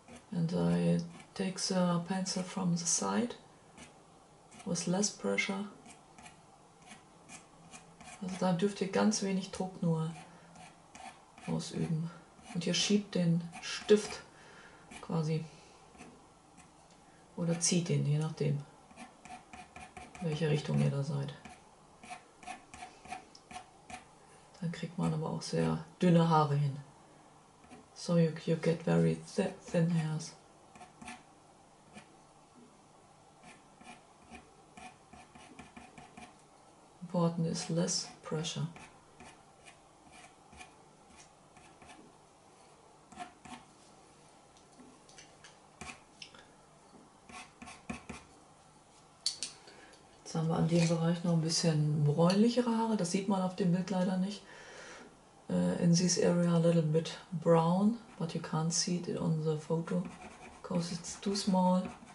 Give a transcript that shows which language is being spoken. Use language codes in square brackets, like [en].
[en] And I take the pencil from the side with less pressure. [de] Also da dürft ihr ganz wenig Druck nur ausüben. Und ihr schiebt den Stift quasi. Oder zieht ihn, je nachdem. Welche Richtung ihr da seid. Dann kriegt man aber auch sehr dünne Haare hin. [en] So you get very thin hairs. important is less pressure. [de] Jetzt haben wir an dem Bereich noch ein bisschen bräunlichere Haare. Das sieht man auf dem Bild leider nicht. [en] In this area a little bit brown, but you can't see it on the photo because it's too small.